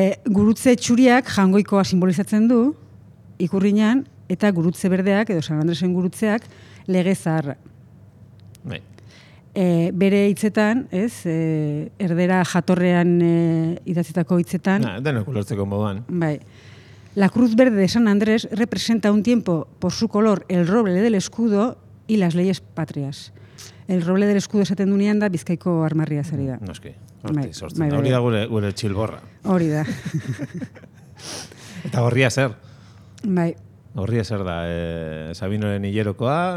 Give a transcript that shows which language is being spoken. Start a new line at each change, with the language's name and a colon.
Basque: gurutze txuriak jangoikoa simbolizatzen du, ikurriñan, eta gurutze berdeak, edo San Andresen gurutzeak, lege zaharra. Bai. Bere hitzetan, ez, erdera jatorrean idatzetako hitzetan. Na, denok ulertzeko moduan. Bai.
Spanish: La Cruz Verde de San Andrés representa un tiempo por su color el roble del escudo y las leyes patrias. El roble del escudo
Basque: esaten dunean da Bizkaiko armarria zari da. Noski, hori da gure txilborra. Hori da. Eta horria zer? Bai. Horria zer da, Sabinoren hilerokoa.